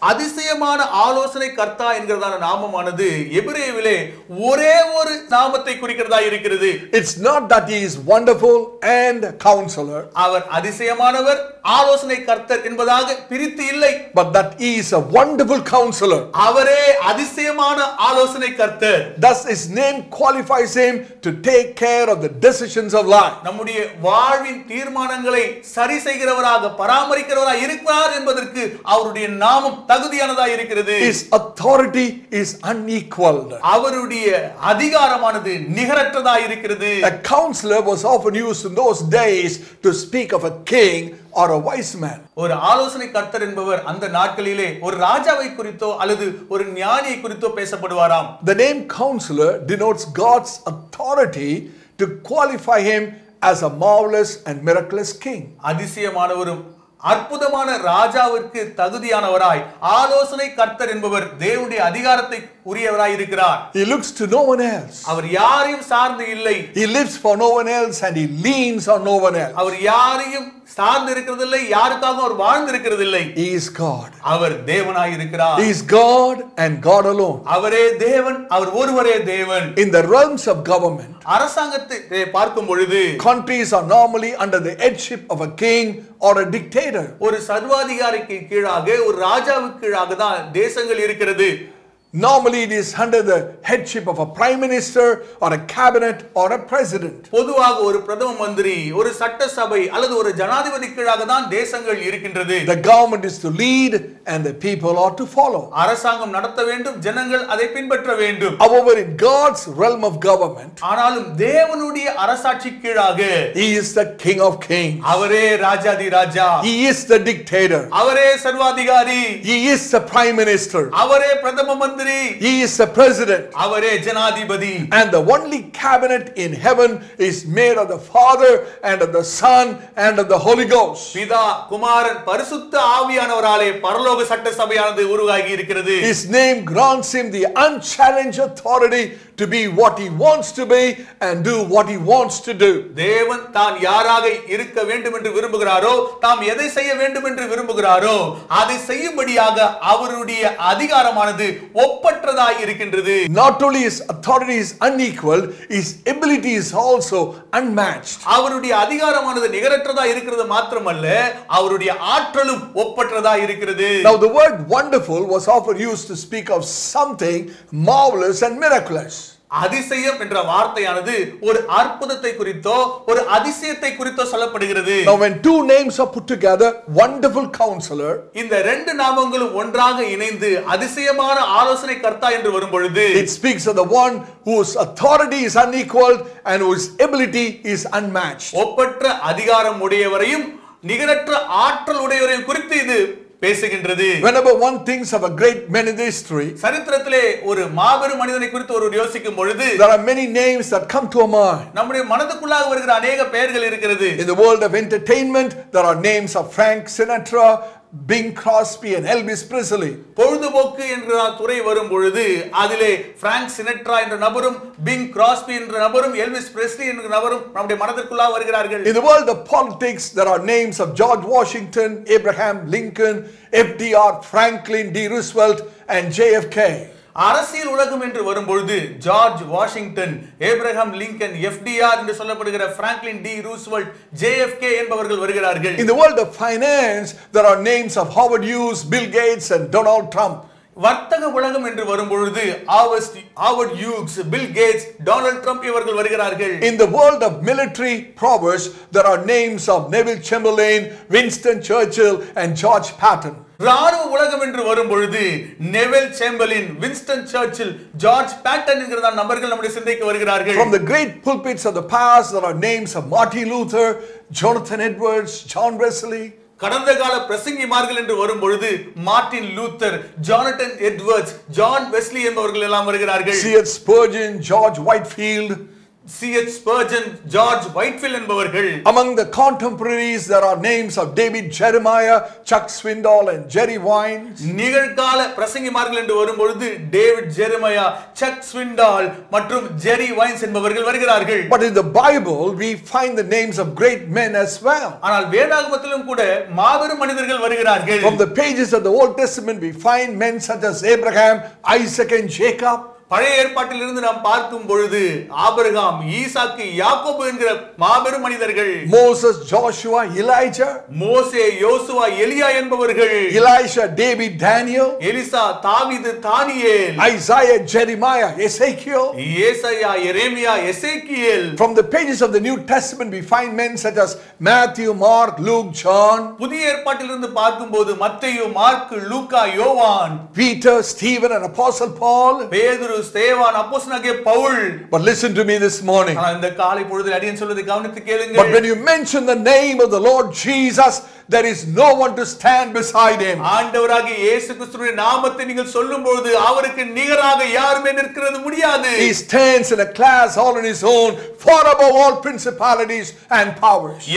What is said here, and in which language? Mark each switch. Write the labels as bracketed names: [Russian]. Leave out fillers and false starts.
[Tamil] அதிசயமான ஆலோசனை கர்த்தா என்கிறதான நாமமானது எபிரேயிலே ஒரே ஒரு நாமத்தை குறிக்கிறதா இருக்கிறது. [English] It's not that he is wonderful and counselor. [Tamil] அவர் அதிசயமானவர், ஆலோசனை கர்த்தர் என்பதாக பிரித்து இல்லை. [English] But that he is a wonderful counselor. [Tamil] அவரே அதிசயமான ஆலோசனை கர்த்தர். [English] Thus his name qualifies him to take care of the decisions of life. [Tamil] நம்முடைய வாழ்வின் தீர்மானங்களை சரி செய்கிறவராக பராமரிக்கிறவராக இருக்கிறார் என்பதற்கு அவருடைய நாமம் தகுதியானதா இருக்கிறது. [English] His authority is unequal. [Tamil] அவருடைய அதிகாரமானது நிகரற்றதா இருக்கிறது. [English] A counselor was often used in those days to speak of a king or a wise man. [Tamil] ஒரு ஆலோசனை கர்த்தர் என்பவர் அந்த நாட்களிலே ஒரு ராஜாவை குறித்தோ அல்லது ஒரு ஞானியை குறித்தோ பேசப்படுவாராம். [English] The name counselor denotes God's authority to qualify him as a marvelous and miraculous king. [Tamil] அதிசயமானவரும் அற்புதமான ராஜாவிற்கு தகுதியானவராய் ஆலோசனை கர்த்தர் என்பவர் தேவனுடைய அதிகாரத்தை உரியவராய் இருக்கிறார். [English] He looks to no one else. [Tamil] அவர் யாரையும் சார்ந்து இல்லை. [English] He lives for no one else and he leans on no one else. [Tamil] அவர் யாரையும் சார்ந்து இருக்கிறதில்லை, யாருக்காகவும் அவர் வாழ்ந்து இருக்கிறதில்லை. [English] He is God. [Tamil] அவர் தேவனாய் இருக்கிறார். [English] He is God and God alone. [Tamil] அவரே தேவன், அவர் ஒருவரே தேவன். [English] In the realms of government, [Tamil] அரசாங்கத்தை பார்க்கும் பொழுது, [English] countries are normally under the headship of a king or a dictator. [Tamil] ஒரு சர்வாதிகாரிக்கு கீழாக, ஒரு ராஜாவுக்கு கீழாக தான் தேசங்கள் இருக்கிறது. [English] Normally it is under the headship of a prime minister or a cabinet or a president. [Tamil] பொதுவாக ஒரு பிரதம மந்திரி, ஒரு சட்டசபை அல்லது ஒரு ஜனாதிபதி கீழாக தான் தேசங்கள் இருக்கின்றது. [English] The government is to lead and the people are to follow. [Tamil] அரசாங்கம் நடத்த வேண்டும், ஜனங்கள் அதை பின்பற்ற வேண்டும். [English] However in God's realm of government, [Tamil] ஆனாலும் தேவனுடைய அரசாட்சி கீழாக, [English] He is the king of kings. [Tamil] அவரே ராஜாதி ராஜா. [English] He is the dictator. [Tamil] அவரே சர்வாதிகாரி. [English] He is the prime minister. [Tamil] அவரே பிரதம மந்திரி. [English] He is the president. [Tamil] அவரே ஜனாதிபதி. [English] And the only cabinet in heaven is made of the Father and of the Son and of the Holy Ghost. [Tamil] பிதா, குமாரன், பரிசுத்த ஆவியானவராலே பரலோக சட்டசபையானது உருவாகி இருக்கிறது. [English] His name grants him the unchallenged authority to be what he wants to be and do what he wants to do. [Tamil] தேவன் தான் யாராக இருக்க வேண்டும் என்று விரும்புகிறாரோ, தாம் எதை செய்ய வேண்டும் என்று விரும்புகிறாரோ, அதை செய்யும்படியாக அவருடைய அதிகாரமானது ஒப்பற்றதாய் இருக்கின்றது. [English] Not only his authority is unequal, his ability is also unmatched. [Tamil] அவருடைய அதிகாரமானது நிகரற்றதாய் இருக்கிறது மட்டுமல்ல, அவருடைய ஆற்றலும் ஒப்பற்றதாய் இருக்கிறது. [English] Now the word wonderful was often used to speak of something marvelous and miraculous. [Tamil] அதிசயம் என்ற வார்த்தையானது ஒரு அற்புதத்தை குறித்தோ, ஒரு அதிசயத்தை குறித்தோ சொல்லப்படுகிறது. [English] Now when two names are put together, wonderful counselor, [Tamil] இந்த ரெண்டு நாமங்களும் ஒன்றாக இணைந்து அதிசயமான ஆலோசனை கர்த்தா என்று வரும் பொழுது, [English] it speaks of the one whose authority is unequaled and whose ability is unmatched. [Tamil] ஒப்பற்ற அதிகாரம் உடையவரையும் நிகரற்ற ஆற்றல் உடையவரையும் குறித்து இது பேசுகின்றது. [English] Whenever one thinks of a great man in history, [Tamil] சரித்திரத்திலே ஒரு மாபெரும் மனிதனை குறித்து ஒருவர் யோசிக்கும் பொழுது, [English] there are many names that come to our mind. [Tamil] நம்முடைய மனதுக்குள்ளாக வருகிற அநேக பெயர்கள் இருக்கிறது. [English] In the world of entertainment, there are names of Frank Sinatra, Bing Crosby and Elvis Presley. [Tamil] பொழுதுபோக்கு என்ற துறை வரும் பொழுது அதிலே பிராங்க் சினட்ரா என்ற நபரும், பிங் கிராஸ்பி என்ற நபரும், எல்விஸ் பிரெஸ்லி என்ற நபரும் நம்முடைய மனதிற்குள்ளாக வருகிறார்கள். [English] In the world of politics, there are names of George Washington, Abraham Lincoln, FDR, Franklin D. Roosevelt and JFK. [Tamil] அரசியல் உலகம் என்று வரும்பொழுது George Washington, Abraham Lincoln, FDR என்று சொல்லப்படுகிற பிராங்க்லின் டி ரூஸ்வெல்ட், ஜேஎஃப்கே என்பவர்கள் வருகிறார்கள். [English] In the world of finance there are names of Howard Hughes, Bill Gates and Donald Trump. [Tamil] வர்த்தக உலகம் என்று வரும்பொழுது Howard Hughes, bill Gates, Donald Trump இவர்கள் வருகிறார்கள். [English] In the world of military prowess there are names of Neville Chamberlain, Winston Churchill and George Patton. [Tamil] ராணுவ உலகம் என்று வரும் பொழுது Neville Chamberlain, Winston Churchill, George pattern என்கிற நபர்கள் நம்முடைய சிந்தைக்கு வருகிறார்கள். [English] From the great pulpits of the past, there are names of Martin Luther, Jonathan Edwards, John Wesley. [Tamil] கடந்த கால பிரசங்கிமார்கள் என்று வரும் பொழுது Martin Luther, Jonathan Edwards, John Wesley என்பவர்கள் எல்லாம் வருகிறார்கள். [English] C.S. Spurgeon, George Whitefield. C.S. [Tamil] Spurgeon, George Whitefield என்பவர்கள். [English] Among the contemporaries, there are names of David Jeremiah, Chuck Swindoll and Jerry Wines. [Tamil] நிகழ்கால பிரசங்கிமார்கள் என்று வரும்பொழுது டேவிட் ஜெரமயா, சக் ஸ்விண்டால் மற்றும் ஜெரி வைன்ஸ் என்பவர்கள் வருகிறார்கள். [English] But in the Bible, we find the names of great men as well. [Tamil] ஆனால் வேதாகமத்திலும் கூட மாபெரும் மனிதர்கள் வருகிறார்கள். [English] From the pages of the Old Testament, we find men such as Abraham, Isaac and Jacob. [Tamil] பழைய ஏற்பாட்டிலிருந்து நாம் பார்க்கும் பொழுது ஆபிரகாம், ஈசாக்கு, யாக்கோபு என்கிற மாபெரும் மனிதர்கள், [English] Moses, Joshua, எலியா, [Tamil] மோசே, யோசுவா, எலியா என்பவர்கள், [English] Elisha, David, தானியேல், [Tamil] எலிசா, தாவீது, தானியேல், [English] Isaiah, Jeremiah, எசேக்கியேல், [Tamil] ஏசாயா, எரேமியா, எசேக்கியேல். [English] From the pages of the New Testament we find men such as Matthew, Mark, Luke, John. [Tamil] புதிய ஏற்பாட்டிலிருந்து பார்க்கும் போது மத்தேயு, மார்க், லூக்கா, யோவான், [English] Peter, Steven and apostle Paul, [Tamil] பேதுரு, ஸ்தேவான் அப்போஸ்தலனாகிய Pavul [English] But listen to me this morning [Tamil] நான் இந்த காலை பொழுதில் அடியேன் சொல்வதை கவனித்து கேளுங்கள் [English] But when you mention the name of the Lord Jesus there is no one to stand beside him [Tamil] ஆண்டவராகிய இயேசு கிறிஸ்துவின் நாமத்தை நீங்கள் சொல்லும்போது அவருக்கு நிகராக யாருமே நிற்கிறது முடியாது [English] He stands in a class all on his own far above all principalities and powers